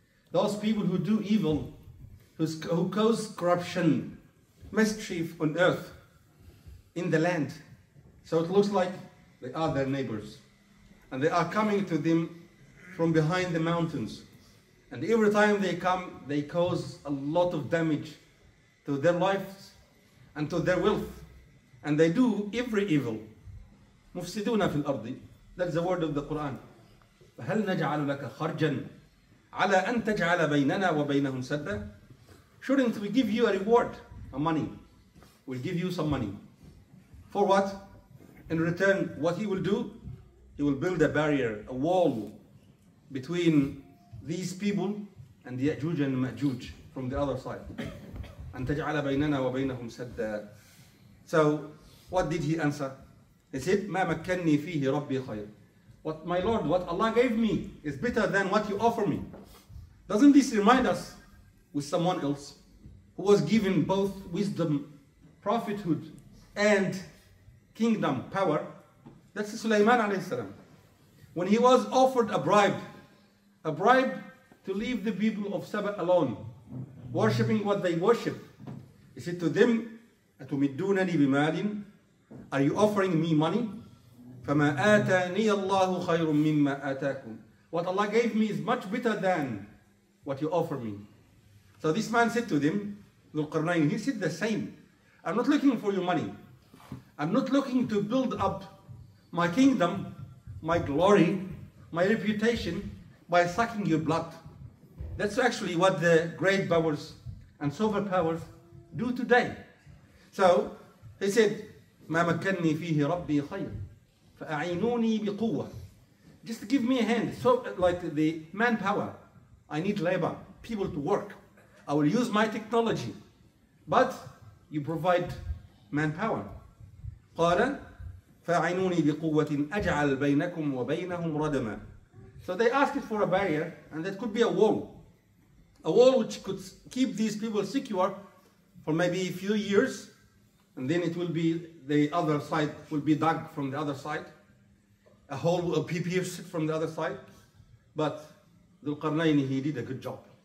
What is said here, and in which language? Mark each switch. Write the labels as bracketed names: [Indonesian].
[English] Those people who do evil, who cause corruption, mischief on earth, in the land. So it looks like they are their neighbors. And they are coming to them from behind the mountains. And every time they come, they cause a lot of damage to their lives and to their wealth. And they do every evil. [Arabic] مُفْسِدُونَ فِي الْأَرْضِ. [English] That's the word of the Quran. [Arabic] فَهَلْ نَجْعَلُ لَكَ خَرْجًا على أن تجعل بيننا وبينهم سدا. [English] Shouldn't we give you a reward, a money? We'll give you some money. For what? In return, what he will do? He will build a barrier, a wall between these people and the Ya'juj and Ma'juj from the other side. [Arabic] أن تجعل بيننا وبينهم سدا. [English] So, what did he answer? He said, [Arabic] ما مكنني فيه ربي خير. [English] What my Lord, what Allah gave me is better than what you offer me. Doesn't this remind us with someone else who was given both wisdom, prophethood, and kingdom power? That's Sulaiman alayhi salam. When he was offered a bribe to leave the people of Saba alone, worshipping what they worship, he said to them, [Arabic] أتمدونني بمال? [English] Are you offering me money? [Arabic] فما آتاني الله خير مما آتاكم. [English] What Allah gave me is much better than what you offer me. So this man said to them, Dhulqarnayn, he said the same. I'm not looking for your money. I'm not looking to build up my kingdom, my glory, my reputation by sucking your blood. That's actually what the great powers and superpowers do today. So he said, [Arabic] ما مكنني فيه ربي خير. فأعينوني بقوة. [English] Just give me a hand, so like the manpower. I need labor, people to work. I will use my technology, but you provide manpower. [Arabic] قال فأعينوني بقوة أجعل بينكم وبينهم ردما. [English] So they asked for a barrier, and that could be a wall which could keep these people secure for maybe a few years, and then it will be the other side will be dug from the other side. A hole will be pierced from the other side. But Dhulqarnayn, he did a good job.